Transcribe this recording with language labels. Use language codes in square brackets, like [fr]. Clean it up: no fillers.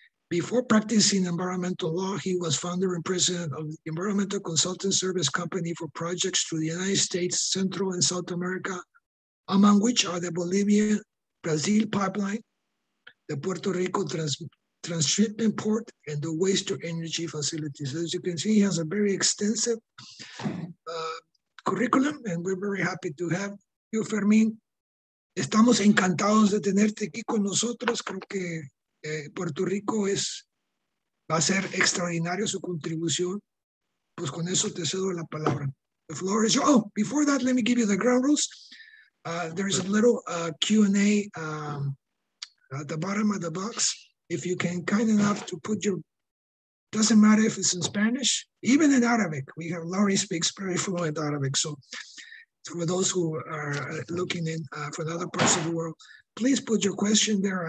[en] Before practicing environmental law, he was founder and president of the Environmental Consulting Service Company for projects through the United States, Central and South America, among which are the Bolivia-Brazil pipeline, the Puerto Rico transshipment port, and the waste-to-energy facilities. As you can see, he has a very extensive curriculum, and we're very happy to have you, Fermín. [es] Estamos encantados de tenerte aquí con nosotros. Creo que Puerto Rico es, va a ser extraordinario su contribución. Pues con eso te cedo la palabra. [en] The floor is yours. Oh, before that, let me give you the ground rules. There is a little Q&A at the bottom of the box. If you can kind enough to put your, doesn't matter if it's in Spanish, even in Arabic. We have Laurie speaks very fluent Arabic. So for those who are looking in from other parts of the world, please put your question there.